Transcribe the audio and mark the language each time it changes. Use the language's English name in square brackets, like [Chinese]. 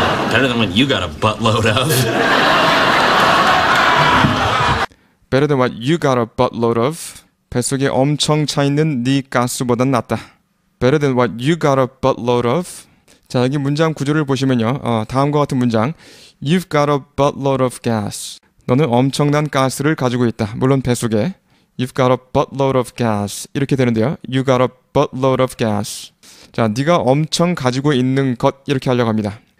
[English] Better than what you got a buttload of. Better than what you got a buttload of. [Korean] 뱃속에 엄청 차 있는 네 가스보단 낫다. [English] Better than what you got a buttload of. [Korean] 자, 여기 문장 구조를 보시면요. 다음과 같은 문장. [English] You've got a buttload of gas. [Korean] 너는 엄청난 가스를 가지고 있다. 물론 배속에 [English] You've got a buttload of gas. [Korean] 이렇게 되는데요. [English] You got a buttload of gas. [Korean] 자, 네가 엄청 가지고 있는 것 이렇게 하려고 합니다.